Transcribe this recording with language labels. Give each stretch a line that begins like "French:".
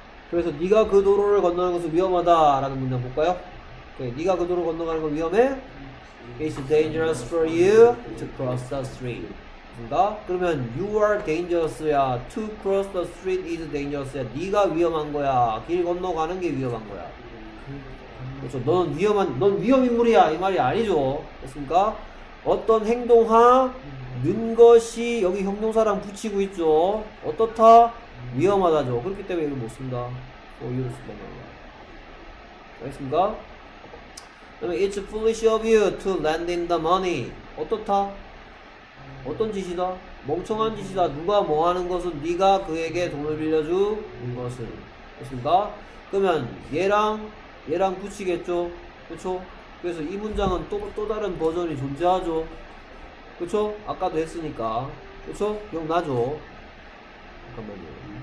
Korean: 그래서 네가 그 도로를 건너는 것은 위험하다라는 문장 볼까요? 오케이. 네가 그 도로 건너가는 건 위험해?
English: It's dangerous for you to cross the street.
Korean: 된다. 그러면
English: you are dangerous야. To cross the street is dangerous야.
Korean: 네가 위험한 거야. 길 건너가는 게 위험한 거야. 그렇죠. 너는 위험한, 넌 위험 인물이야. 이 말이 아니죠. 됐습니까? 어떤 행동하는 것이 여기 형용사랑 붙이고 있죠. 어떻다? 위험하다죠. 그렇기 때문에 이걸 못 쓴다. 뭐 이유를 쓴단 말이야. 알겠습니까? 그다음에
English: it's foolish of you to lend in the money.
Korean: 어떻다? 어떤 짓이다? 멍청한 짓이다. 누가 뭐 하는 것은 네가 그에게 돈을 빌려준 것은. 그렇습니까? 그러면 얘랑 붙이겠죠? 그렇죠? 그래서 이 문장은 또 다른 버전이 존재하죠? 그렇죠? 아까도 했으니까. 그렇죠? 기억나죠? 잠깐만요.